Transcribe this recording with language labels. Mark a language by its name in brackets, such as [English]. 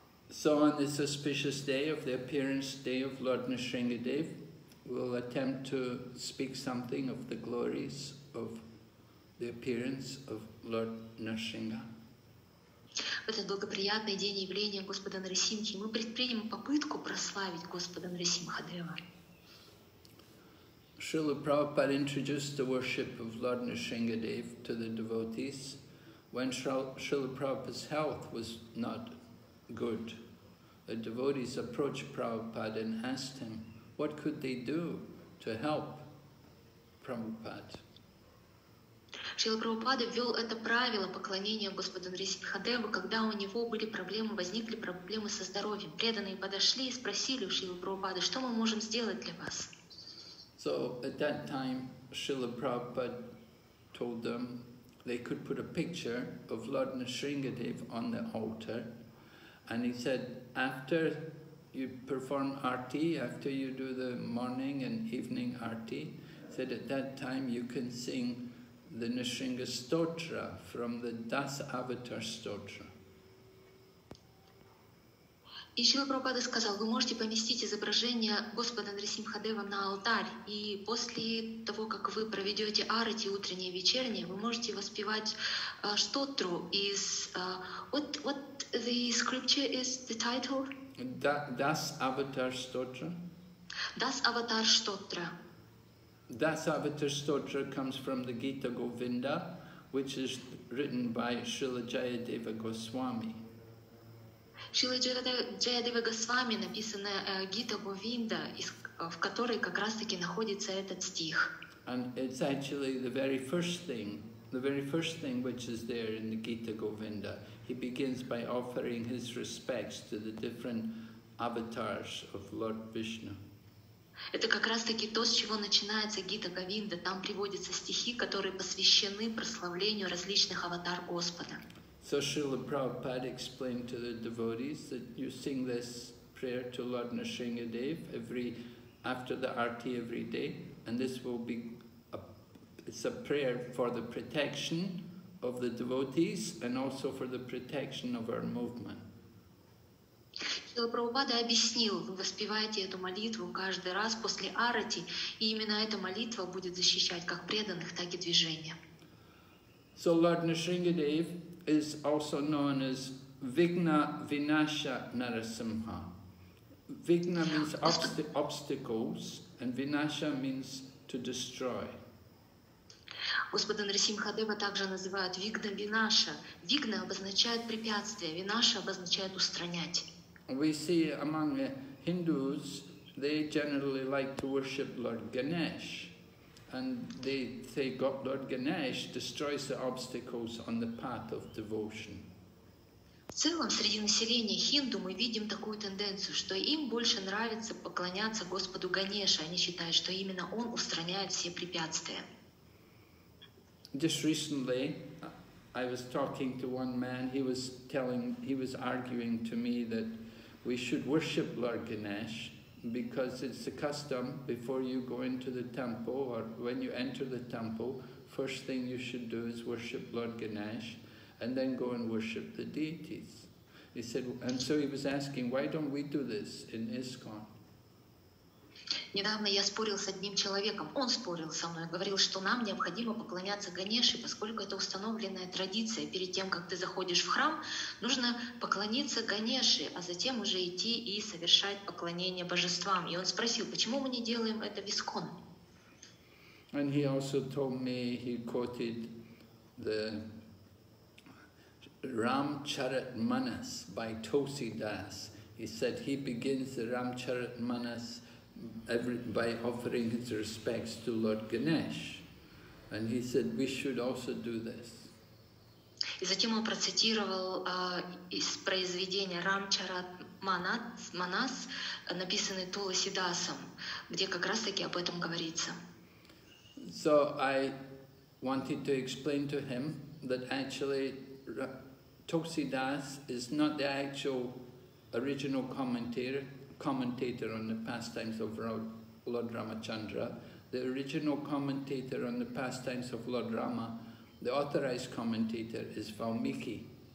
[English] So on this auspicious day of the appearance day of Lord Nrisingadev, we'll attempt to speak something of the glories of the appearance of Lord Nrisingha. [Russian] В этот благоприятный день явления Господа Нарисимхи мы предпримем попытку прославить Господа Нарисимхадева. [English] Шрила Прабхупада introduced the worship of Lord Nrisingadev to the devotees when Шрила Прабхупада's health was not good. The devotees approached Prabhupada and asked him what could they do to help Prabhupada. [Russian] Шрила Прабхупада ввел это правило поклонения Господу Нарисимхадеву, когда у него были проблемы, возникли проблемы со здоровьем. Преданные подошли и спросили у Шрилы Прабхупады, что мы можем сделать для вас. [English] So at that time Шрила Прабхупада told them they could put a picture of Lord Nrisingadev on the altar, and he said, after you perform arti, after you do the morning and evening arti, said at that time you can sing the Nrisingha Stotra from the Das Avatar Stotra. [Russian] И Шрила Прабхупада сказал, вы можете поместить изображение Господа Нрисимхадева на алтарь, и после того, как вы проведете арати утреннее и вечернее, вы можете воспевать стотру из... [English] What the scripture is the title? Das Avatar Stotra. Das Avatar Stotra. Das Avatar Stotra comes from the Gita Govinda, which is written by Srila Jayadeva Goswami. [Russian] Шрила Джаядева Госвами написана Гита Говинда, в которой как раз таки находится этот стих. [English] And it's actually the very first thing which is there in the Gita Govinda. He begins by offering his respects to the different avatars of Lord Vishnu. [Russian] Это как раз таки то, с чего начинается Гита Говинда. Там приводятся стихи, которые посвящены прославлению различных аватар Господа. [English] So Srila Prabhupada explained to the devotees that you sing this prayer to Lord Nrisingadev after the arti every day, and this will be it's a prayer for the protection of the devotees and also for the protection of our movement. [Russian] Шрила Прабхупада объяснил, вы воспеваете эту молитву каждый раз после арати, и именно эта молитва будет защищать как преданных, так и движение. [English] So Lord Nrisingadev is also known as Vigna Vinasha Narasimha. Vigna means obstacles, and Vinasha means to destroy. [Russian] Господа Нарисимхадева также называют Вигна Винаша. Вигна обозначает препятствие, Винаша обозначает устранять. [English] We see among the Hindus, they generally like to worship Lord Ganesh. And they say God, Lord Ganesh destroys the obstacles on the path of devotion. [Russian] В целом, среди населения хинду мы видим такую тенденцию, что им больше нравится поклоняться Господу Ганеше. Они считают, что именно он устраняет все препятствия. [English] Just recently, I was talking to one man. He was arguing to me that we should worship Lord Ganesh, because it's the custom before you go into the temple, or when you enter the temple, first thing you should do is worship Lord Ganesh and then go and worship the deities. He said, and so he was asking, why don't we do this in ISKCON? [Russian] Недавно я спорил с одним человеком, он спорил со мной, говорил, что нам необходимо поклоняться Ганеше, поскольку это установленная традиция. Перед тем, как ты заходишь в храм, нужно поклониться Ганеше, а затем уже идти и совершать поклонение божествам. И он спросил, почему мы не делаем это в Искон? [English] And he also told me, he quoted the Ramcharitmanas by Tosidas. He said he begins the Ramcharitmanas by offering his respects to Lord Ganesh. And he said we should also do this. [Russian] И затем он процитировал из произведения Рамчаратманас, написанный Тулсидасом, где как раз таки об этом говорится. [English] So I wanted to explain to him that actually Tulsidas is not the actual original commentator on the pastimes of Lord Ramachandra. The original commentator on the pastimes of Lord Rama, the authorized commentator, is Valmiki.